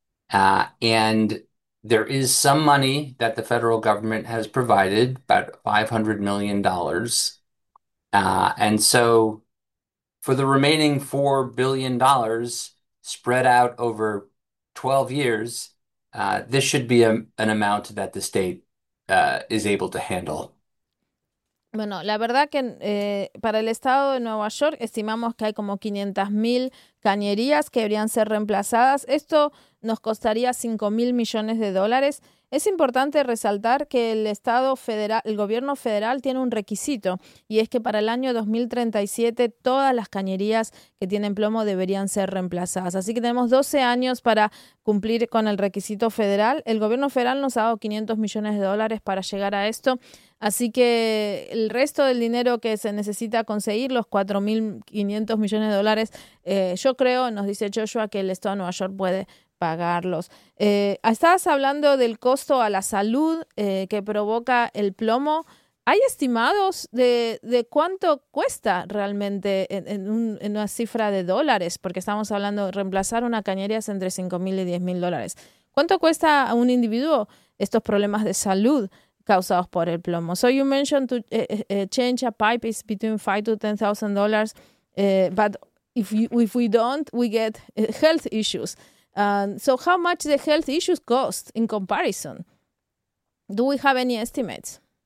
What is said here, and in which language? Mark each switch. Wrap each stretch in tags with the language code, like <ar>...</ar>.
<en>And there is some money that the federal government has provided, about $500 million. And so for the remaining $4 billion spread out over 12 years, this should be an amount that the state is able to handle.</en> <es>Bueno, la verdad que para el estado de Nueva York estimamos que hay como 500.000 cañerías que deberían ser reemplazadas. Esto nos costaría 5.000 millones de dólares. Es importante resaltar que el gobierno federal tiene un requisito y es que para el año 2037 todas las cañerías que tienen plomo deberían ser reemplazadas. Así que tenemos 12 años para cumplir con el requisito federal. El gobierno federal nos ha dado 500 millones de dólares para llegar a esto. Así que el resto del dinero que se necesita conseguir, los 4.500 millones de dólares, yo creo, nos dice Joshua, que el Estado de Nueva York puede pagarlos. Estabas hablando del costo a la salud que provoca el plomo. ¿Hay estimados de cuánto cuesta realmente en una cifra de dólares? Porque estamos hablando de reemplazar una cañería es entre 5.000 y $10.000. ¿Cuánto cuesta a un individuo estos problemas de salud causados por el plomo?</es> <en>So you mentioned to change a pipe is between $5,000 to $10,000, but if we don't, we get health issues. So how much the health issues cost in comparison? Do we have any estimates?</en>